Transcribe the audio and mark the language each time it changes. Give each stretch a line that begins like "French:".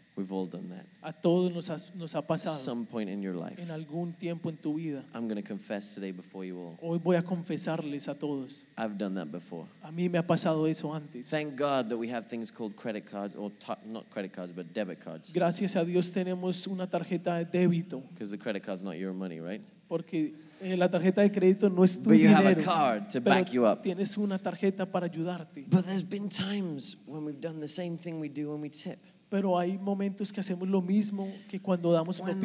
English: We've all done that.
Spanish: A todos nos ha pasado.
English: At some point in your life.
Spanish: En algún tiempo en tu vida.
English: I'm going to confess today before you all.
Spanish: Hoy voy a confesarles a todos.
English: I've done that before.
Spanish: A mí me ha pasado eso antes.
English: Thank God that we have things called credit cards, or not credit cards, but debit cards.
Spanish: Gracias a Dios tenemos una tarjeta de débito.
English: Because the credit card's not your money, right?
Spanish: Porque la tarjeta de crédito no es tu dinero.
English: But you have a card to back you up.
Spanish: Tienes una tarjeta para ayudarte.
English: But there's been times when we've done the same thing we do when we tip.
Spanish: Pero hay momentos que hacemos lo mismo que cuando damos